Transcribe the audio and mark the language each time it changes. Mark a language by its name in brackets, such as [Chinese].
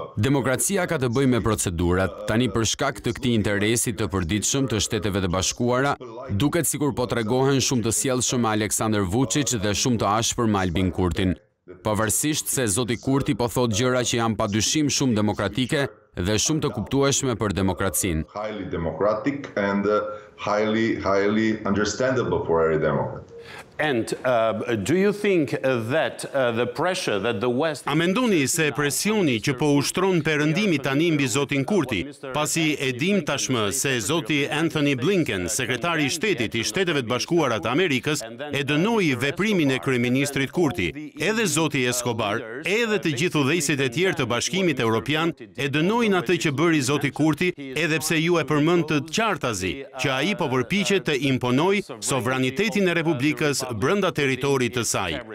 [Albanian] demokracia ka të bëjë me procedurat. Tani për shkak të këtij interesi të përditshëm të Shteteve të Bashkuara, duket sikur po tregohen shumë të sjellshëm Aleksandar Vučić dhe shumë të ashpër Albin Kurtin. Pavarësisht se zoti Kurti po thotë gjëra që janë padyshim shumë demokratike dhe shumë të kuptueshme për demokracinë. [English] Highly democratic and highly understandable for every democrat. And do you think that the pressure that the West... [Albanian] A mendoni se presioni që po ushtron perëndimi tani mbi zotin Kurti, pasi e dim tashmë se zoti Anthony Blinken, sekretari i shtetit i Shteteve të Bashkuara të Amerikës, e dënoi veprimin e kryeministrit Kurti, edhe zoti Escobar, edhe të gjithë udhëheqësit e tjerë të Bashkimit Evropian e dënojnë atë që bëri zoti Kurti, edhe pse ju e përmend të qartazi që ai po përpiqet të imponojë sovranitetin e Republikës brenda territorit të saj.